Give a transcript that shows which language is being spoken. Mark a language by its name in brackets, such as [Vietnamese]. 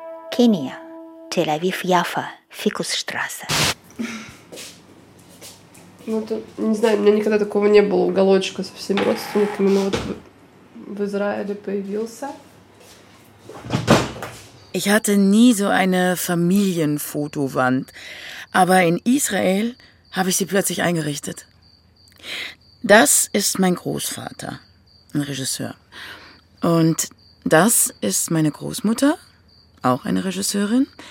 [German] Kenia, Tel Aviv, Jaffa, Fikusstraße. [Russian] Ну тут не знаю, у меня никогда такого не было уголочка со всеми родственниками, но вот в Израиле появился. [German] Ich hatte nie so eine Familienfotowand, Aber in Israel habe ich sie plötzlich eingerichtet. Das ist mein Großvater, ein Regisseur. Und das ist meine Großmutter, auch eine Regisseurin.